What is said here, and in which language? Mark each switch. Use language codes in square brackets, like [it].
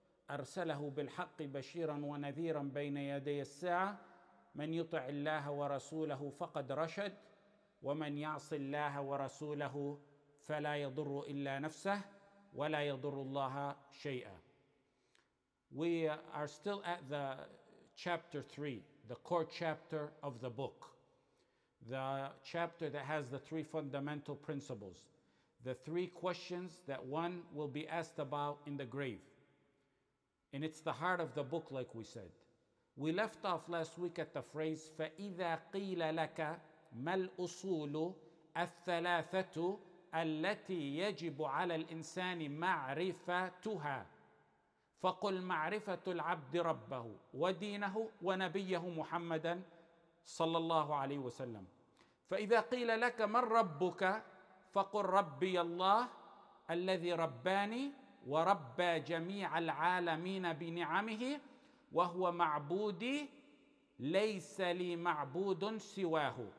[ar] أرسله بالحق بشيرا ونذيرا بين يدي الساعة من يطع الله ورسوله فقد رشد ومن يعص الله ورسوله فلا يضر إلا نفسه ولا يضر الله شيئا. [en] We are still at the chapter 3, the core chapter of the book. The chapter that has the three fundamental principles. The three questions that one will be asked about in the grave. And it's the heart of the book, like we said. We left off last week at the phrase, [ar] فَإِذَا قِيلَ لَكَ مَا الْأُصُولُ الثَّلَاثَةُ الَّتِي يَجِبُ عَلَى الْإِنسَانِ مَعْرِفَتُهَا فَقُلْ مَعْرِفَةُ الْعَبْدِ رَبَّهُ وَدِينَهُ وَنَبِيَّهُ مُحَمَّدًا صَلَّى اللَّهُ عَلَيْهِ وَسَلَّمُ فَإِذَا قِيلَ لَكَ مَا رَبُّكَ فَقُلْ رَبِّيَ اللَّهُ الَّذِي رَبَّانِي وَرَبَّى جَمِيعَ الْعَالَمِينَ بِنِعَمِهِ وَهُوَ مَعْبُودِي لَيْسَ لِي مَعْبُودٌ سِوَاهُ